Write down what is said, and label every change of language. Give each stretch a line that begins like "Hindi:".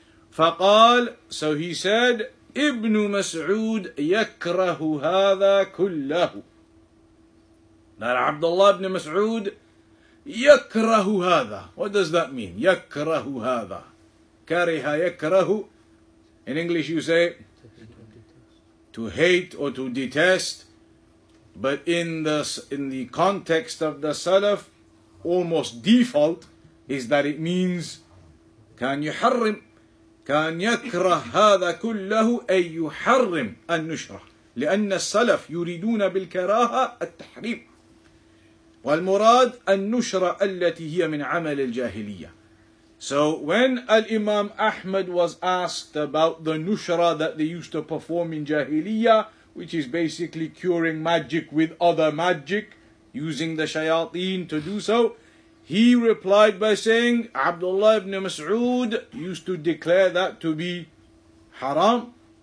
Arabic: Faqal,
English: so he said,
Arabic: Ibn Mas'ud yakrahu hadha kullahu.
English: That Abdullah ibn Mas'ud
Arabic: yakrahu hadha.
English: What does that mean?
Arabic: Yakrahu hadha. Kariha yakrahu.
English: In English you say to hate or to detest. But in the context of the Salaf, almost default is that it means
Arabic: كان يحرم كان يكره هذا كله أي يحرم النشرة لأن السلف يريدون بالكراهة التحريم والمراد النشرة التي هي من عمل الجاهلية.
English: So when Al-Imam Ahmad was asked about the nushra that they used to perform in Jahiliyyah, which is basically curing magic with other magic, using the shayateen to do so, he replied by saying, Abdullah ibn Mas'ud used to declare that to be haram.